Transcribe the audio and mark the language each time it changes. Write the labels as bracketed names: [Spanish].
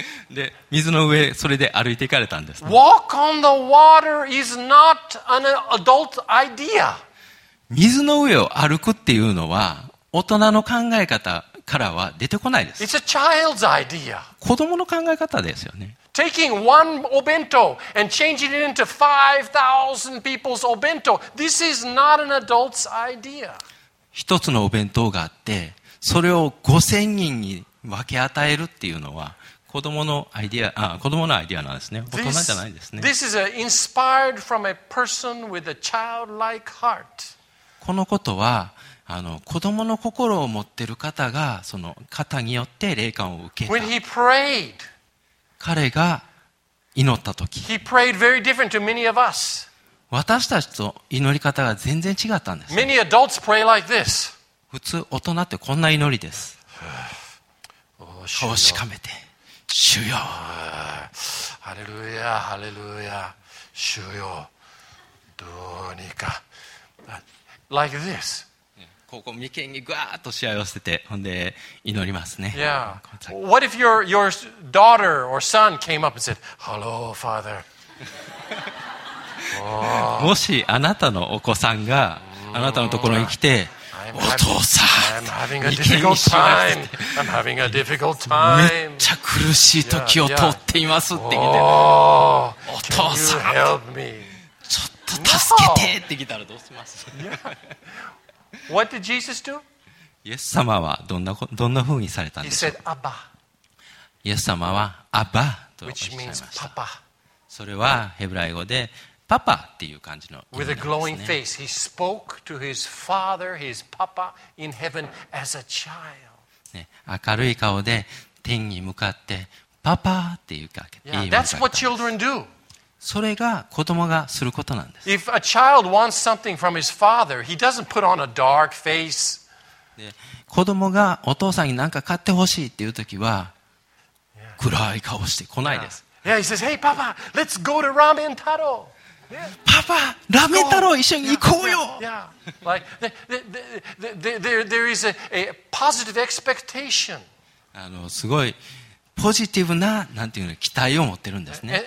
[Japanese] で水の上それで歩いていかれたんです、ね。 [English] Walk on the water is not an adult idea. [Japanese] 水の上を歩くっていうのは大人の考え方。からは出てこないです。 [English] It's a child's idea. [Japanese] 子供の考え方ですよね。 [English] Taking one obento and changing it into 5,000 people's obento. This is not an adult's idea. [Japanese] 一つのお弁当があって、それを5,000人に分け与えるっていうのは子供のアイデア、子供のアイデアなんですね。大人じゃないですね。 [English] This is inspired from a person with a childlike heart. [Japanese] このことは子供の心を持っている方がその方によって霊感を受けた。 [English] When he prayed, [Japanese] 彼が祈った時、 [English] he prayed very different to many of us. [Japanese] 私たちと祈り方が全然違ったんです。 [English] Many adults pray like this. [Japanese] 普通大人ってこんな祈りです。顔しかめて、主よ、ハレルヤ、ハレルヤ、主よ、どうにか、 [English] like this. [Japanese] ここ眉間にぐわーっと幸せてほんで祈りますね。 [English] Yeah. What if your daughter or son came up and said, "Hello, Father." [Japanese] もしあなたのお子さんがあなたのところに来て、お父さん、 [English] I'm having a difficult time. I'm having a difficult time. [Japanese] めっちゃ苦しい時を通っていますって言って、お父さん、 [English] Can you help me? [Japanese] ちょっと助けてって来たらどうします？ [English] What did Jesus do? [Japanese] イエス様はどんな風にされたんでしょう。 [English] He said, Abba. [Japanese] イエス様はアッバとおっしゃいました。 [English] Which means Papa. [Japanese] それはヘブライ語でパパっていう感じの意味ですね。 [English] With a glowing face, he spoke to his father, his Papa in heaven as a child. [Japanese] ね、明るい顔で天に向かってパパっていうか、 [English] Yeah, that's what children do. [Japanese] それが子供がすることなんです。 [English] If a child wants something from his father, he doesn't put on a dark face. [Japanese] 子供がお父さんに何か買ってほしいっていうときは、暗い顔してこないです。 [English] Yeah, he says, "Hey, Papa, let's go to Ramen Taro." [Japanese] パパ、ラーメン太郎一緒に行こうよ。 [English] Like there is a positive expectation. [Japanese] すごい。ポジティブななんていうの期待を持ってるんですね。